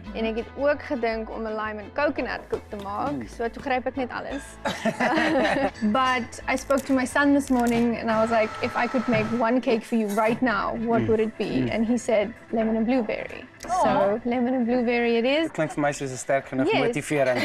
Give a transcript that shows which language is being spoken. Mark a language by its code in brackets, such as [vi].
[af] En ek het ook gedink om 'n [en] lime and coconut cook [af] te maak. Mm. So toe gryp ek net alles. [en] But I spoke to my son this morning and I was like, if I could make one cake for you right now, what would it be? Mm. And he said lemon and blueberry. So, aww, lemon and blueberry it is. [af] Dit klink vir my soos 'n sterk genoeg motivering.